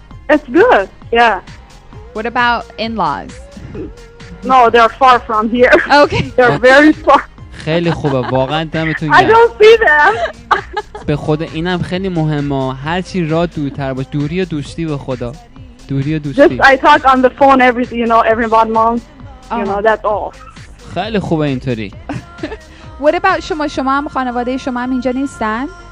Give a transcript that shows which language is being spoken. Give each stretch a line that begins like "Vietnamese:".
English: It's good. Yeah. What about in-laws? No, they're far from here. Okay. They're very far.
Persian: خیلی خوبه، واقعا دمتون
English: گرم. I don't see them.
Persian: به خود اینم خیلی مهمه، هر چی را دورتر باشه، دوری و دوستی، به خدا دوری و دوستی.
English: Just I talk on the phone every, you know, every one month. You know, that's all.
Persian: خیلی خوبه اینطوری.
English: What about
Persian: شما؟ شما هم خانواده شما هم اینجا نیستن؟